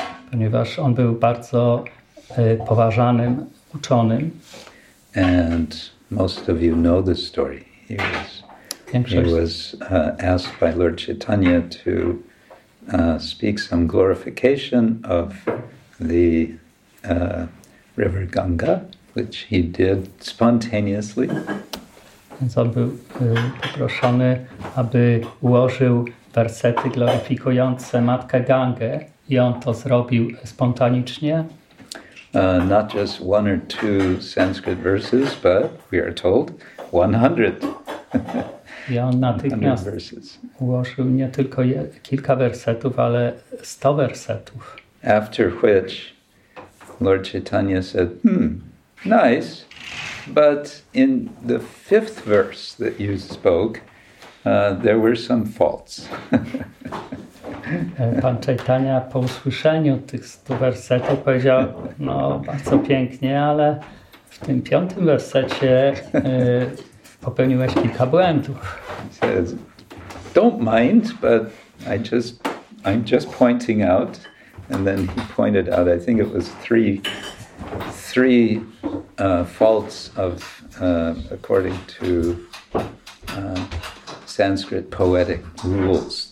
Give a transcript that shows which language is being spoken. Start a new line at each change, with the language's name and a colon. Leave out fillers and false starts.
Polish: Ponieważ on był bardzo poważanym uczonym.
English: And most of you know the story. He was He was asked by Lord Chaitanya to speak some glorification of the river Ganga, which he did spontaneously.
Polish: Więc on był poproszony, aby ułożył wersety gloryfikujące matkę Gangę, i on to zrobił spontanicznie.
English: Not just one or two Sanskrit verses, but we are told 100.
Polish: I on natychmiast ułożył nie tylko kilka wersetów, ale 100 wersetów.
English: After which Lord Chaitanya said, nice. But in the fifth verse that you spoke, there were some faults.
Polish: Pan Chaitanya po usłyszeniu tych 100 wersetów powiedział, no bardzo pięknie, ale w tym piątym wersecie popełniłeś kilka błędów.
English: He says, don't mind, but I'm just pointing out. And then he pointed out, I think it was three faults of according to Sanskrit poetic rules.